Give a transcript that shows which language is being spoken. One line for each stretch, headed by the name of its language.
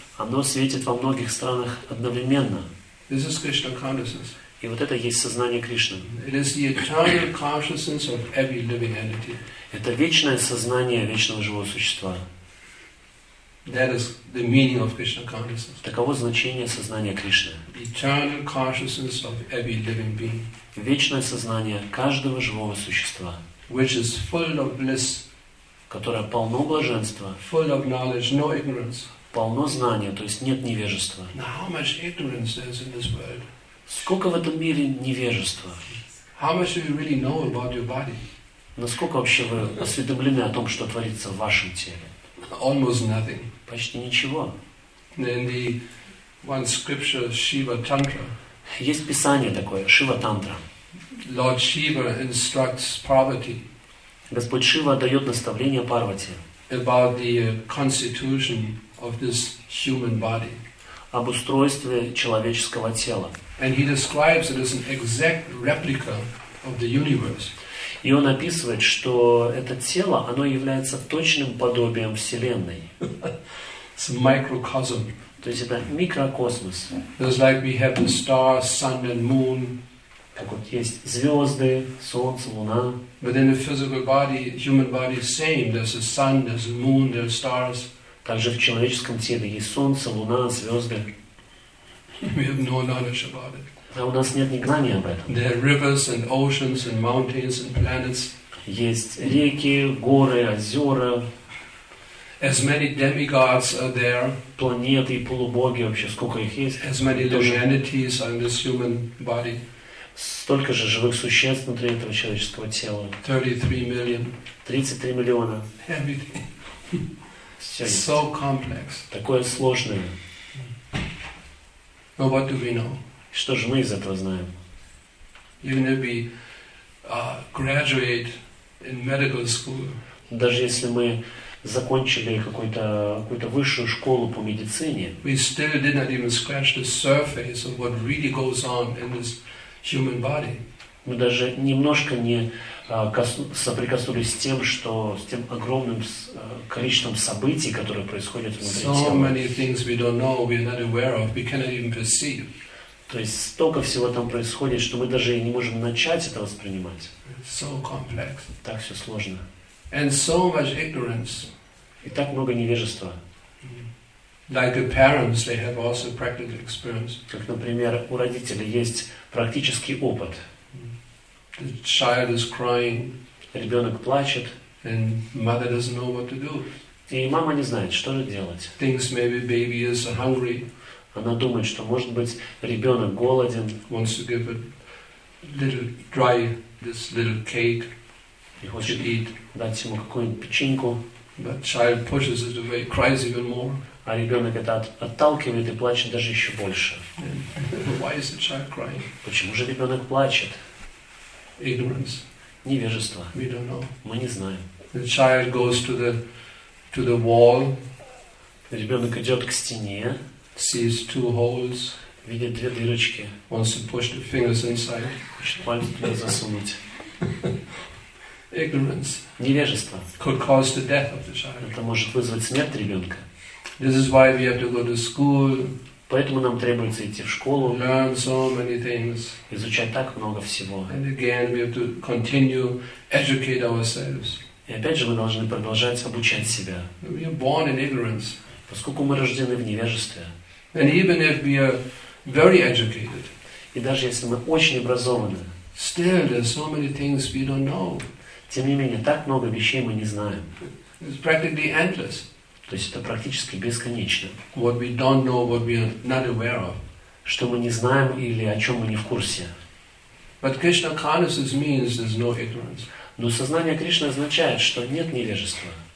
Russian: Оно светит во многих странах одновременно.
English: This is Krishna consciousness.
Russian: И вот это есть сознание Кришны.
English: It is the eternal consciousness of every living entity.
Russian: Это вечное сознание вечного живого существа.
English: That is the meaning of Krishna consciousness.
Russian: Таково значение сознания Кришны.
English: Eternal consciousness of every living being.
Russian: Вечное сознание каждого живого существа.
English: Which is full of bliss.
Russian: Которое полно блаженства.
English: Full of knowledge, no ignorance.
Russian: Полно знания, то есть нет невежества.
English: Now how much ignorance is in this world?
Russian: Сколько в этом мире невежества?
English: How much do you really know about your body?
Russian: Насколько вообще вы осведомлены о том, что творится в вашем теле?
English: Almost nothing.
Russian: Почти ничего.
English: In the one scripture, Shiva Tantra.
Russian: Есть писание такое, Шива Тантра.
English: Lord Shiva instructs Parvati.
Russian: Господь Шива дает наставление Парвати.
English: About the constitution of this human body.
Russian: Об устройстве человеческого тела.
English: And he describes it as an exact replica of the universe.
Russian: И он описывает, что это тело, оно является точным подобием Вселенной.
English: It's a microcosm.
Russian: То есть это микрокосмос.
English: It's like we have the stars, sun and moon.
Russian: Так вот есть звезды, солнце, луна.
English: But in the physical body, human body is same. There's a sun, there's a moon, there's stars.
Russian: Также в человеческом теле есть солнце, луна, звезды.
English: We have no knowledge about it.
Russian: А у нас нет ни знания об этом.
English: There are rivers and oceans and mountains and planets.
Russian: Есть реки, горы, озера.
English: As many demigods are there.
Russian: Планеты и полубоги вообще, сколько их есть?
English: As many divinities are in this human body.
Russian: Столько же живых существ внутри этого человеческого тела.
English: 33 million.
Russian: 33 миллиона.
English: Everything. So complex.
Russian: Такое сложное. Но
English: what do we know?
Russian: Что же мы из этого знаем?
English: Even if we graduate in medical school.
Russian: Даже если мы закончили какую-то высшую школу по медицине.
English: We still did not even scratch the surface of what really goes on in this human body.
Russian: Мы даже немножко не соприкоснулись с тем, что с тем огромным количеством событий, которые происходят внутри тела.
English: So many things we don't know, we are not aware of, we cannot even perceive.
Russian: То есть столько всего там происходит, что мы даже и не можем начать это воспринимать.
English: So complex.
Russian: Так все сложно.
English: And so much ignorance.
Russian: И так много невежества.
English: Like the parents, they have also practical experience.
Russian: Как, например, у родителей есть практический опыт.
English: The child is crying.
Russian: Ребенок плачет.
English: And mother doesn't know what to do.
Russian: И мама не знает, что же делать.
English: Thinks maybe baby is hungry.
Russian: Она думает, что, может быть, ребенок голоден.
English: Wants to give a little dry this little cake.
Russian: И хочет
English: eat.
Russian: Дать ему какую-нибудь печеньку.
English: But child pushes it away, cries even more.
Russian: А ребенок это отталкивает и плачет даже еще больше.
English: Why is the child crying?
Russian: Почему же ребенок плачет?
English: Ignorance.
Russian: Невежество.
English: We don't know.
Russian: Мы не знаем.
English: The child goes to the wall.
Russian: Ребенок идет к стене.
English: Sees two holes.
Russian: Видит две дырочки.
English: Wants to push the fingers inside.
Russian: Хочет пальцы туда засунуть.
English: Ignorance.
Russian: Невежество.
English: Could cause the death of the child.
Russian: Это может вызвать смерть ребенка.
English: This is why we have to go to school.
Russian: Поэтому нам требуется идти в школу.
English: Learn so many things.
Russian: Изучать так много всего.
English: And again, we have to continue educate ourselves.
Russian: И опять же, мы должны продолжать обучать себя.
English: We are born in ignorance.
Russian: Поскольку мы рождены в невежестве.
English: And even if we are very educated.
Russian: И даже если мы очень образованы.
English: Still, there are so many things we don't know.
Russian: Тем не менее, так много вещей мы не знаем.
English: It's practically endless.
Russian: То есть это практически бесконечно.
English: What we don't know, what we are not aware of.
Russian: Что мы не знаем или о чем мы не в курсе.
English: But Krishna consciousness means there's no ignorance.
Russian: Но сознание Кришны означает, что нет невежества.